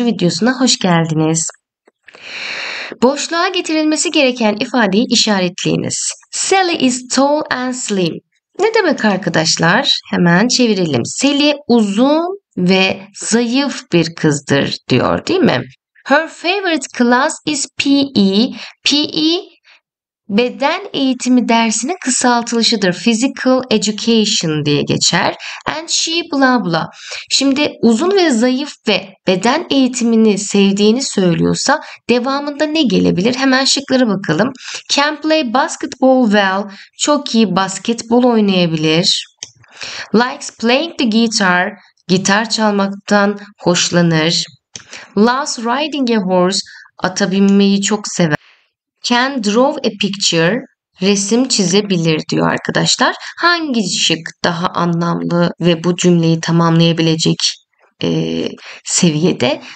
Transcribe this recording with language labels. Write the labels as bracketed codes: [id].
[tr] videosuna hoş geldiniz. Boşluğa getirilmesi gereken ifadeyi işaretleyiniz. [en] Sally is tall and slim. [tr] Ne demek arkadaşlar? Hemen çevirelim. Sally uzun ve zayıf bir kızdır diyor, değil mi? [en] Her favorite class is PE. [tr] PE beden eğitimi dersinin kısaltılışıdır. [en] Physical education [tr] diye geçer. [en] And she bla bla. [tr] Şimdi uzun ve zayıf ve beden eğitimini sevdiğini söylüyorsa devamında ne gelebilir? Hemen şıklara bakalım. [en] Can play basketball well. [tr] Çok iyi basketbol oynayabilir. [en] Likes playing the guitar. [tr] Gitar çalmaktan hoşlanır. [en] Loves riding a horse. [tr] Ata binmeyi çok sever. [en] Can draw a picture. [tr] Resim çizebilir diyor arkadaşlar. Hangi şık daha anlamlı ve bu cümleyi tamamlayabilecek seviyede?